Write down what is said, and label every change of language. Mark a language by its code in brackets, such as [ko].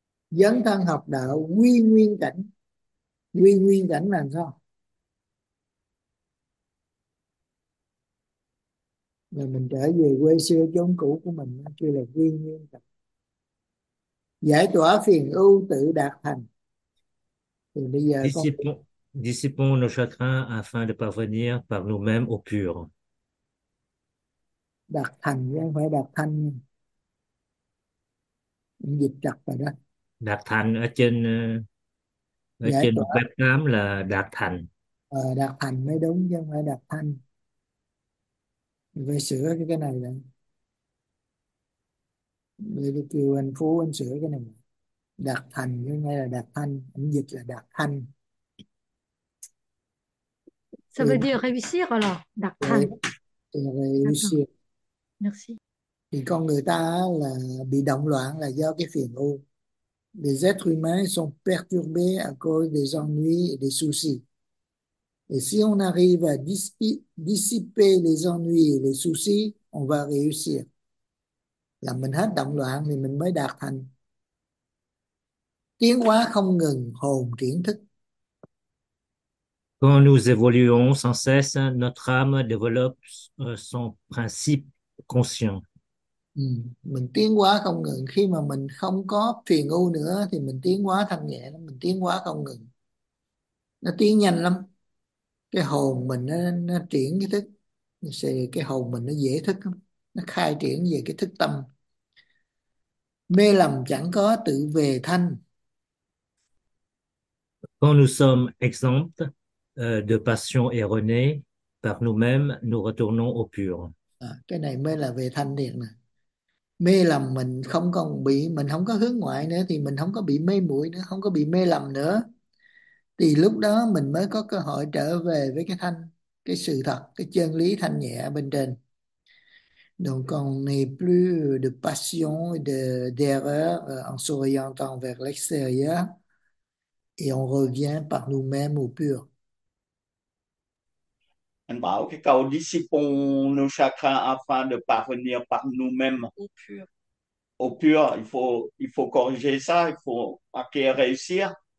[vi] Dấn thân học đạo quy nguyên cảnh. Quy nguyên cảnh là sao? Rồi mình trở về quê xưa chốn cũ của mình kêu là quy nguyên cảnh. Giải tỏa phiền ưu tự đạt thành. Thì bây giờ con [fr] Dissipons nos chagrins afin de parvenir par nous-mêmes au pur. [vi] Đạt thành chứ không phải đạt thanh. Mình dịch chặt rồi đó. Đạt thành ở giải trên tỏa. web 8 là đạt thành. Đạt thành mới đúng chứ không phải đạt thanh. Về sửa cái này này. Về cái kêu anh Phú anh sửa cái này. Đạt thành chứ ngay là đạt thanh. Anh dịch là đạt thanh. [fr] Ça veut dire réussir alors, d'accord. Merci. [vi] Thì con người ta là bị động loạn là do cái phiền ưu. [fr] Les êtres humains sont perturbés à cause des ennuis et des soucis. Et si on arrive à dissiper les ennuis et les soucis, on va réussir. [vi] Là, mình hết động loạn thì mình mới đạt thành. Tiến hóa không ngừng, hồn triển thức. [fr] Quand nous évoluons sans cesse, notre âme développe son principe conscient. [vi] Mình tiến hóa không ngừng. Khi mà mình không có phiền ưu nữa thì mình tiến hóa thanh nhẹ lắm, mình tiến hóa không ngừng, nó tiến nhanh lắm. Cái hồn mình nó triển cái thức, cái hồn mình nó dễ thức lắm. Nó khai triển về cái thức tâm. Mê lầm chẳng có, tự về thanh. [fr] Quand nous sommes exempts de passion erronée par nous-mêmes, nous retournons au pur. [vi] À, cái này mới là về thanh thiệt nè. Mê lầm mình không còn bị, mình không có hướng ngoại nữa thì mình không có bị mê muội nữa, không có bị mê lầm nữa, thì lúc đó mình mới có cơ hội trở về với cái thanh, cái sự thật, cái chân lý thanh nhẹ bên trên. [fr] Donc on n'est plus de passion et d'erreur en s'orientant vers l'extérieur et on revient par nous-mêmes au pur. [vi] Anh bảo cái câu [fr] dissipons nos chakras afin de parvenir par nous-mêmes au pur, il faut corriger ça, il faut marquer réussir.